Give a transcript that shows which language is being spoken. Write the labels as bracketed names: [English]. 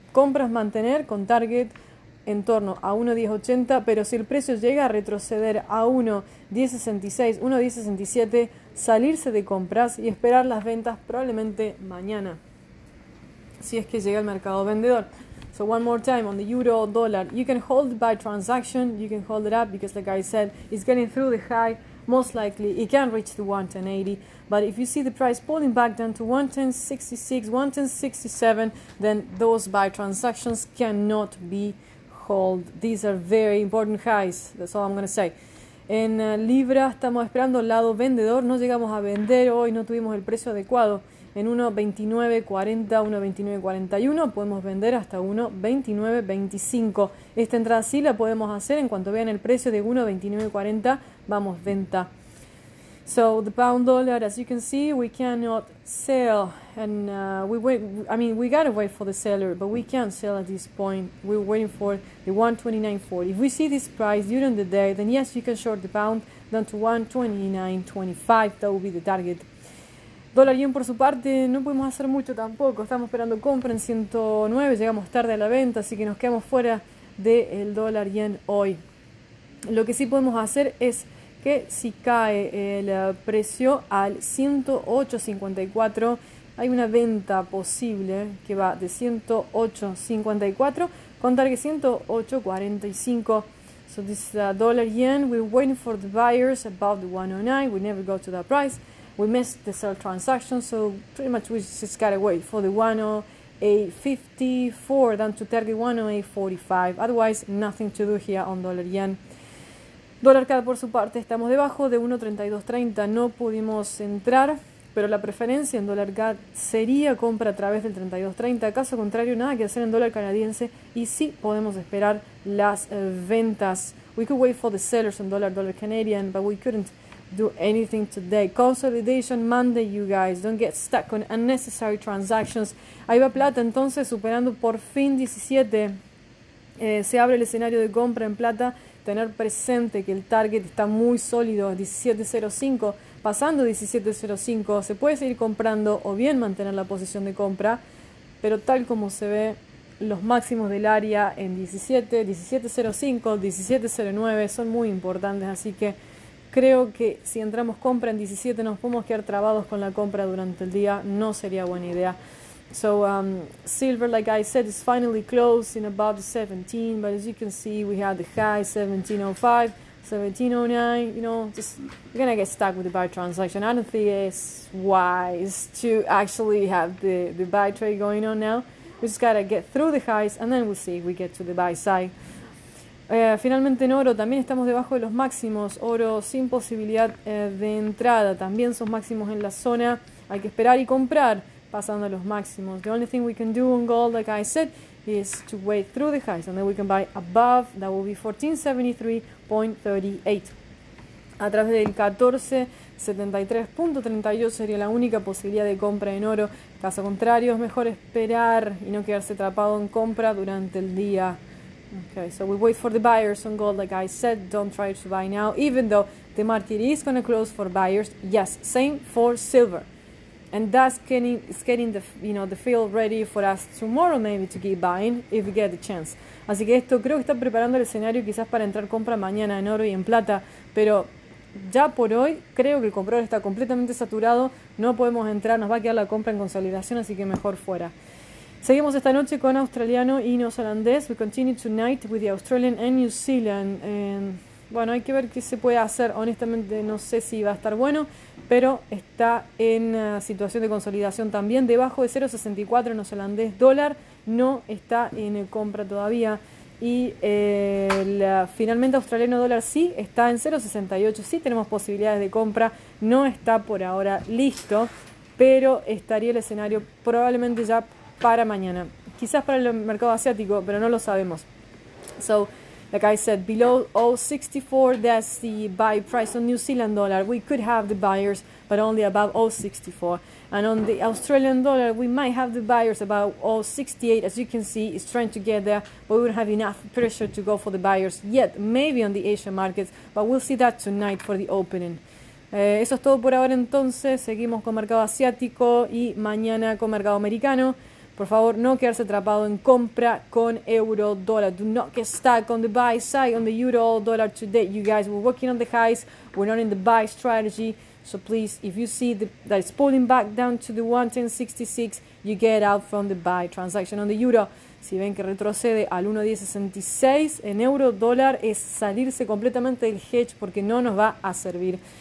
[Spanish] Compras mantener con target en torno a 1.1080, pero si el precio llega a retroceder a 1.1066, 1.1067, salirse de compras y esperar las ventas probablemente mañana, si es que llega al mercado vendedor. [English] So one more time, on the euro dollar, you can hold by transaction, you can hold it up because like I said, it's getting through the high, most likely it can reach the 1.1080, but if you see the price pulling back down to 1.1066, 1.1067, then those buy transactions cannot be hold. These are very important highs. That's all I'm going to say. [Spanish] En Libra estamos esperando el lado vendedor. No llegamos a vender hoy. No tuvimos el precio adecuado. En 1.2940, 1.2941 podemos vender hasta 1.2925. Esta entrada sí la podemos hacer. En cuanto vean el precio de 1.2940, vamos venta. [English] So the pound dollar, as you can see, we cannot sell, and we gotta wait for the seller, but we can't sell at this point. We're waiting for the 1.2940. If we see this price during the day, then yes, you can short the pound down to 1.2925. That will be the target. [Spanish] Dólar yen por su parte, no podemos hacer mucho tampoco. Estamos esperando compra en 109, llegamos tarde a la venta, así que nos quedamos fuera de el dólar yen hoy. Lo que sí podemos hacer es que si cae el precio al 108.54, hay una venta posible que va de 108.54 con target 108.45. [English] So this dollar yen, we're waiting for the buyers above the 109, we never go to that price, we missed the sell transaction, so pretty much we just gotta wait for the 108.54 down to target 108.45, otherwise nothing to do here on dollar yen. [Spanish] Dólar CAD por su parte, estamos debajo de 1.3230, no pudimos entrar, pero la preferencia en dólar CAD sería compra a través del 3230, caso contrario nada que hacer en dólar canadiense y sí podemos esperar las ventas. [English] We could wait for the sellers on dollar Canadian, but we couldn't do anything today. Consolidation Monday, you guys, don't get stuck on unnecessary transactions. [Spanish] Ahí va plata entonces, superando por fin 17, se abre el escenario de compra en plata. Tener presente que el target está muy sólido, 17.05, pasando 17.05, se puede seguir comprando o bien mantener la posición de compra, pero tal como se ve, los máximos del área en 17.05, 17.09 son muy importantes, así que creo que si entramos compra en 17 nos podemos quedar trabados con la compra durante el día, no sería buena idea. [English] So silver, like I said, is finally closing above the 17, but as you can see, we had the high 1705, 1709, you know, just we're gonna get stuck with the buy transaction. I don't think it's wise to actually have the buy trade going on now. We just gotta get through the highs and then we'll see if we get to the buy side. [Spanish] Finalmente en oro, también estamos debajo de los máximos, oro sin posibilidad de entrada, también son máximos en la zona, hay que esperar y comprar. Pasando los máximos. [English] The only thing we can do on gold, like I said, is to wait through the highs. And then we can buy above. That will be 1473.38. [Spanish] A través del 1473.38 sería la única posibilidad de compra en oro. Caso contrario, es mejor esperar y no quedarse atrapado en compra durante el día. [English] Okay, so we wait for the buyers on gold, like I said. Don't try to buy now. Even though the market is going to close for buyers. Yes, same for silver. And that's getting the, you know, the field ready for us tomorrow maybe to keep buying if we get the chance. [Spanish] Así que esto creo que está preparando el escenario quizás para entrar compra mañana en oro y en plata. Pero ya por hoy creo que el comprador está completamente saturado. No podemos entrar, nos va a quedar la compra en consolidación, así que mejor fuera. Seguimos esta noche con australiano y neozelandés. [English] We continue tonight with the Australian and New Zealand. [Spanish] And, bueno, hay que ver qué se puede hacer. Honestamente no sé si va a estar bueno. Pero está en situación de consolidación también, debajo de 0.64 neozelandés dólar, no está en compra todavía. Y finalmente australiano dólar sí está en 0.68, sí tenemos posibilidades de compra, no está por ahora listo, pero estaría el escenario probablemente ya para mañana. Quizás para el mercado asiático, pero no lo sabemos. So, [English] like I said, below 0.64, that's the buy price on New Zealand dollar. We could have the buyers, but only above 0.64. And on the Australian dollar, we might have the buyers about 0.68. As you can see, it's trying to get there, but we don't have enough pressure to go for the buyers yet, maybe on the Asian markets, but we'll see that tonight for the opening. [Spanish] Eso es todo por ahora entonces, seguimos con mercado asiático y mañana con mercado americano. Por favor, no quedarse atrapado en compra con euro dólar. [English] Do not get stuck on the buy side on the euro dollar today. You guys, we're working on the highs, we're not in the buy strategy. So please, if you see that it's pulling back down to the 1.1066, you get out from the buy transaction on the euro. [Spanish] Si ven que retrocede al 1.1066 en euro dólar, es salirse completamente del hedge porque no nos va a servir.